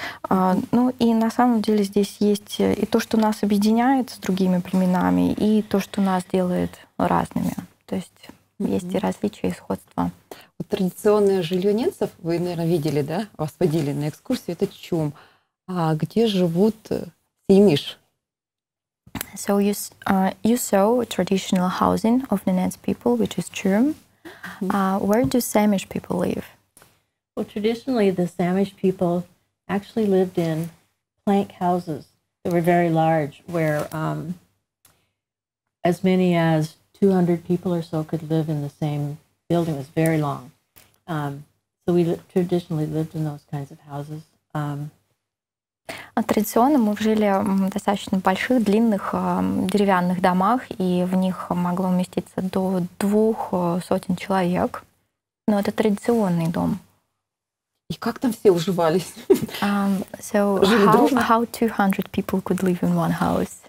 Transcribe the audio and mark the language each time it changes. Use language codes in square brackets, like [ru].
[ru] Ну и на самом деле здесь есть и то, что нас объединяет с другими племенами, и то, что нас делает разными. То есть есть и различия, и сходства. Вот традиционное жилье ненцев, вы, наверное, видели, да? Вас водили на экскурсию, это чум. А где живут сеймиш? [en] So you saw traditional housing of the Nez people, which is chum. Where do Samish people live? Well, traditionally, the Samish people actually lived in plank houses that were very large, where as many as 200 people or so could live in the same building. It was very long. So we traditionally lived in those kinds of houses. [ru] Традиционно мы жили в достаточно больших, длинных деревянных домах, и в них могло вместиться до 200 человек. Но это традиционный дом. И как там все уживались? [en] How 200 people could live in one house?